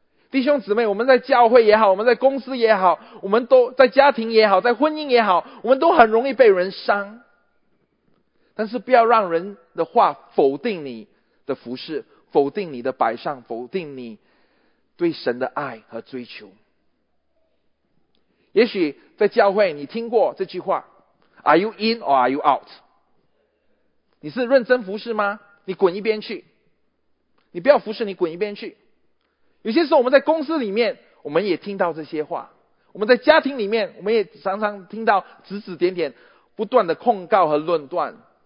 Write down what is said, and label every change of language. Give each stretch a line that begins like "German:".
Chinese: 弟兄姊妹，我们在教会也好，我们在公司也好，我们都在家庭也好，在婚姻也好，我们都很容易被人伤。但是不要让人的话否定你的服侍，否定你的摆上，否定你对神的爱和追求。也许在教会你听过这句话，
English: Are you in or are you out?
Chinese: 你是认真服侍吗？你滚一边去，你不要服侍，你滚一边去。有些时候我们在公司里面我们也听到这些话，我们在家庭里面我们也常常听到指指点点，不断的控告和论断。